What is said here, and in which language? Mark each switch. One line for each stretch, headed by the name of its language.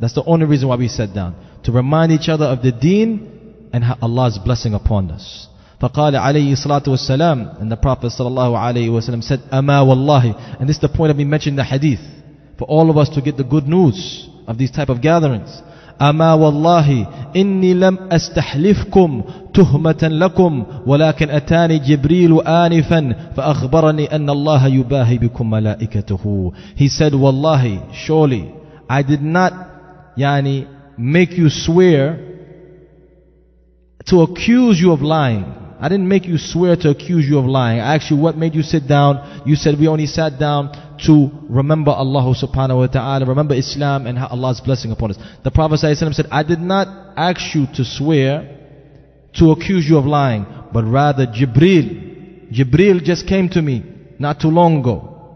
English: That's the only reason why we sat down. To remind each other of the deen and Allah's blessing upon us.
Arabic: فَقَالَ عَلَيْهِ الصَّلَاةُ وَالسَّلَامُ
English: And the Prophet sallallahu alayhi wa sallam said,
Arabic: أَمَا وَاللَّهِ
English: And this is the point of me mentioning the hadith. For all of us to get the good news of these type of gatherings.
Arabic: أَمَا وَاللَّهِ إِنِّي لَمْ أَسْتَحْلِفْكُمْ تُهْمَةً لَكُمْ وَلَكِنْ أَتَانِي جِبْرِيلُ آنِفًا فَأَخْبَرَنِي أَنَّ اللَّهَ يُبَاهِي بِكُمْ مَلَائِكَتُهُ
English: He said, Wallahi, surely, I did not يعني, make you swear to accuse you of lying. I didn't make you swear to accuse you of lying. I asked you, what made you sit down? You said, we only sat down to remember Allah subhanahu wa ta'ala, remember Islam and Allah's blessing upon us. The Prophet said, I did not ask you to swear to accuse you of lying, but rather Jibreel just came to me not too long ago.